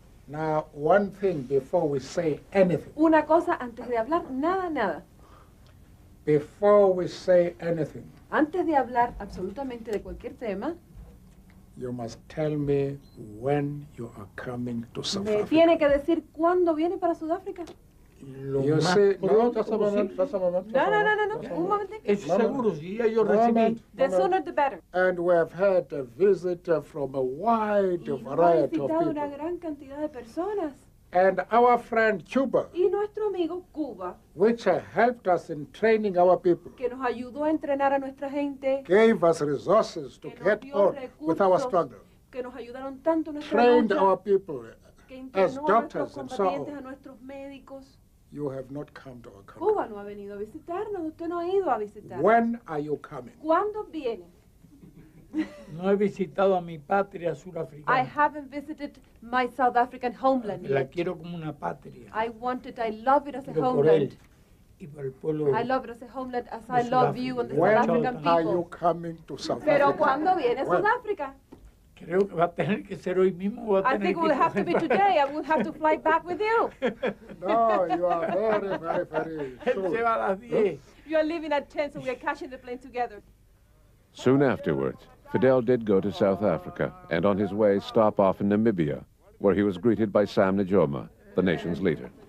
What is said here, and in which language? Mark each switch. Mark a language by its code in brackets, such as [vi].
[en] Now, one thing before we say anything. [es] Una cosa antes de hablar, nada, nada. [en] Before we say anything. [es] Antes de hablar absolutamente de cualquier tema. [en] You must tell me when you are coming to South Africa. [es] Me tiene que decir cuándo viene para Sudáfrica. Yo sé, no, casa mamá. No, no, no, no, no, un momento. Es seguro, si ella recibe. [en] The sooner the better. And we have had a visitor from a wide variety of people. [es] Y hemos visitado una gran cantidad de personas. [en] And our friend Cuba. [es] Y nuestro amigo Cuba. [en] Which helped us in training our people. [es] Que nos ayudó a entrenar a nuestra gente. [en] Gave us resources to get on with our struggle. [es] Que nos ayudaron tanto nuestra [en] trained [es] lucha. [en] Trained our people. As doctors and so on. You have not come to our country. [es] Cuba no ha venido a visitarnos. Usted no ha ido a visitarnos. [en] When are you coming? [es] ¿Cuándo viene? No he visitado a mi patria surafricana. [en] I haven't visited my South African homeland yet. [es] La quiero como una patria. [en] I want it. I love it as a homeland. [es] Y por el pueblo. [en] I love it as a homeland as I love you and the South African people. When are you coming to South Africa? [es] Pero ¿cuándo viene a Sudáfrica? Creo que va a tener que ser hoy mismo. [en] I think it will have to be today. I will have to fly back with you. No, you are very, very, very soon. [es] Se va a las 10. [en] You are leaving at 10, so we are catching the plane together. Soon afterwards, Fidel did go to South Africa, and on his way stop off in Namibia, where he was greeted by Sam Nujoma, the nation's leader.